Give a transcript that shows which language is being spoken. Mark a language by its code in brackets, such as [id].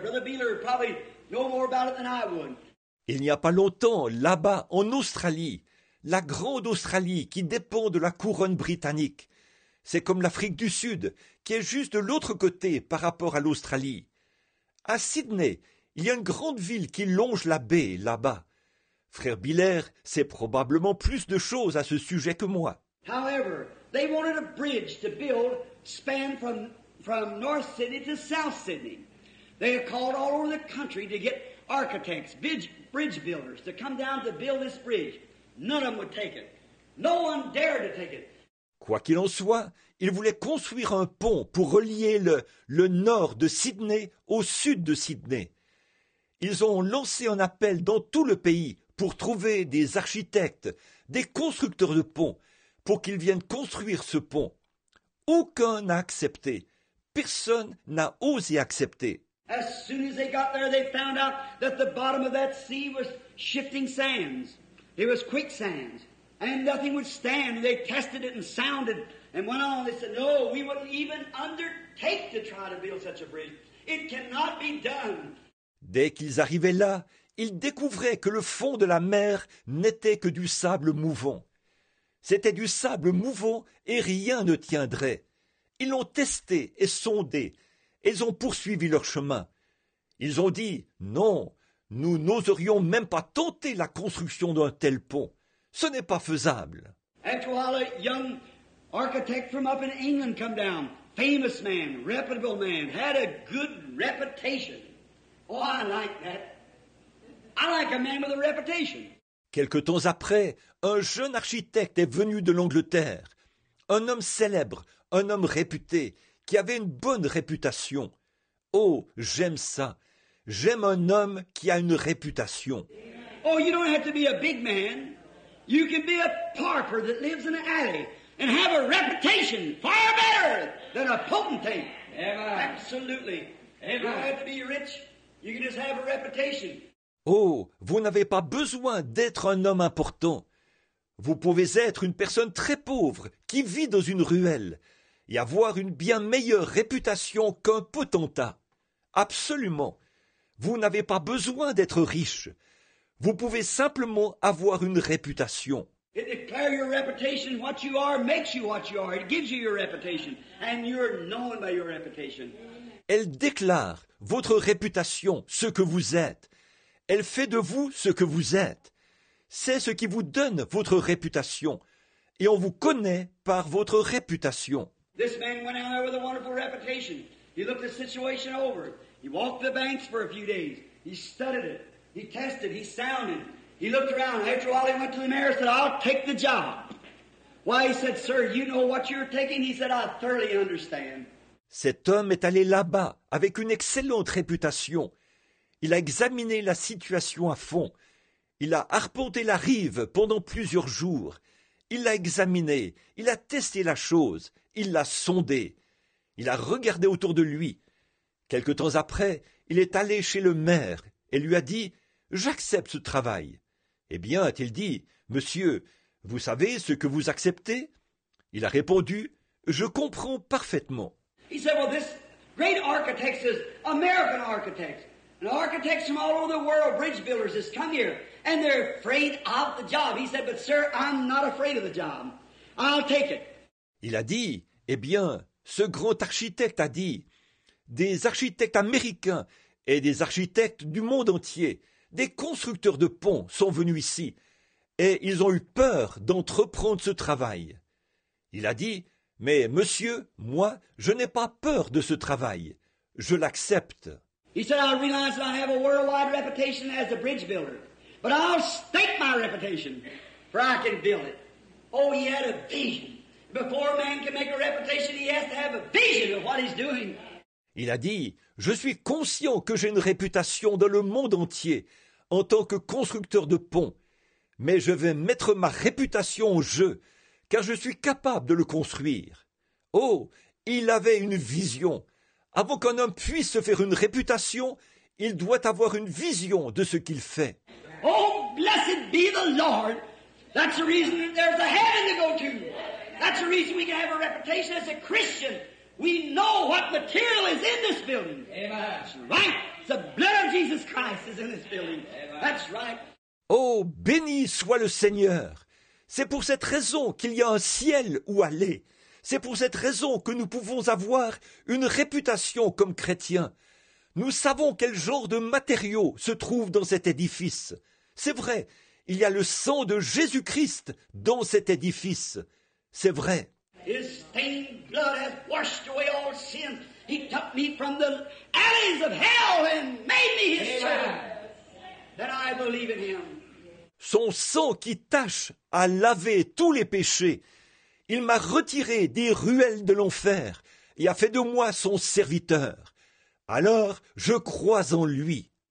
[en] Brother Beeler probably know more about it than I would. [fr] Il n'y a pas longtemps, là-bas, en Australie, la grande Australie qui dépend de la couronne britannique. C'est comme l'Afrique du Sud, qui est juste de l'autre côté par rapport à l'Australie. À Sydney, il y a une grande ville qui longe la baie, là-bas. Frère Biller sait probablement plus de choses à ce sujet que moi. [en] However, they wanted a bridge to build, span from North Sydney to South Sydney. They have called all over the country to get architects, bridge builders, to come down to build this bridge. None of them would take it. No one dared to take it. [fr] Quoi qu'il en soit, ils voulaient construire un pont pour relier le nord de Sydney au sud de Sydney. Ils ont lancé un appel dans tout le pays pour trouver des architectes, des constructeurs de ponts, pour qu'ils viennent construire ce pont. Aucun n'a accepté. Personne n'a osé accepter. [en] As soon as they got there, they found out that the bottom of that sea was shifting sands. It was quicksands. And nothing would stand. They tested it and sounded and went on. They said, no, we wouldn't even undertake to try to build such a bridge. It cannot be done. [fr] Dès qu'ils arrivaient là, ils découvraient que le fond de la mer n'était que du sable mouvant. C'était du sable mouvant et rien ne tiendrait. Ils l'ont testé et sondé. Ils ont poursuivi leur chemin. Ils ont dit, non, nous n'oserions même pas tenter la construction d'un tel pont. Ce n'est pas faisable. [en] After a while, a young architect from up in England come down, famous man, reputable man, had a good reputation. Oh, I like that. I like a man with a reputation. [fr] Quelque temps après, un jeune architecte est venu de l'Angleterre, un homme célèbre, un homme réputé, qui avait une bonne réputation. Oh, j'aime ça. J'aime un homme qui a une réputation. [en] Oh, you don't have to be a big man. You can be a pauper that lives in an alley and have a reputation far better than a potentate. Amen. Absolutely. Amen. You don't have to be rich. You can just have a reputation. [fr] Oh, vous n'avez pas besoin d'être un homme important. Vous pouvez être une personne très pauvre qui vit dans une ruelle et avoir une bien meilleure réputation qu'un potentat. Absolument. Vous n'avez pas besoin d'être riche. Vous pouvez simplement avoir une réputation. [en] It declares your reputation. What you are makes you what you are. It gives you your reputation. And you're known by your reputation. [fr] Elle déclare votre réputation, ce que vous êtes. Elle fait de vous ce que vous êtes. C'est ce qui vous donne votre réputation. Et on vous connaît par votre réputation. [en] This man went out there with a wonderful reputation. He looked the situation over. He walked the banks for a few days. He studied it. He tested, he sounded, he looked around. After a while, he went to the mayor and said, I'll take the job. Why, he said, sir, you know what you're taking? He said, I thoroughly understand. [fr] Cet homme est allé là-bas avec une excellente réputation. Il a examiné la situation à fond. Il a arpenté la rive pendant plusieurs jours. Il l'a examiné, il a testé la chose, il l'a sondé. Il a regardé autour de lui. Quelque temps après, il est allé chez le maire. Et lui a dit, j'accepte ce travail. Eh bien, a-t-il dit, monsieur, vous savez ce que vous acceptez? Il a répondu, je comprends parfaitement. [en] He said, well, this great architect is American architect. An architect from all over the world, bridge builders, has come here. And they're afraid of the job. He said, but sir, I'm not afraid of the job. I'll take it. [fr] Il a dit, eh bien, ce grand architecte a dit, des architectes américains et des architectes du monde entier, des constructeurs de ponts sont venus ici et ils ont eu peur d'entreprendre ce travail. Il a dit, « Mais monsieur, moi, je n'ai pas peur de ce travail. Je l'accepte. » [en] He said, I realize that I have a worldwide reputation as a bridge builder, but I'll stake my reputation, for I can build it. Oh, he had a vision. Before a man can make a reputation, he has to have a vision of what he's doing. [fr] Il a dit, je suis conscient que j'ai une réputation dans le monde entier en tant que constructeur de ponts, mais je vais mettre ma réputation en jeu, car je suis capable de le construire. Oh, il avait une vision. Avant qu'un homme puisse se faire une réputation, il doit avoir une vision de ce qu'il fait. [en] Oh, blessed be the Lord! That's the reason that there's a heaven to go to. That's the reason we can have a reputation as a Christian. We know what material is in this building. Amen. That's right. The blood of Jesus Christ is in this building. Amen. That's right. [fr] Oh, béni soit le Seigneur. C'est pour cette raison qu'il y a un ciel où aller. C'est pour cette raison que nous pouvons avoir une réputation comme chrétiens. Nous savons quel genre de matériaux se trouvent dans cet édifice. C'est vrai, il y a le sang de Jésus-Christ dans cet édifice. C'est vrai. [en] His stained blood has washed away all sin. He took me from the alleys of hell and made me his son. That I believe in him. [fr] Son sang qui tâche à laver tous les péchés. Il m'a retiré des ruelles de l'enfer et a fait de moi son serviteur. Alors, je crois en lui.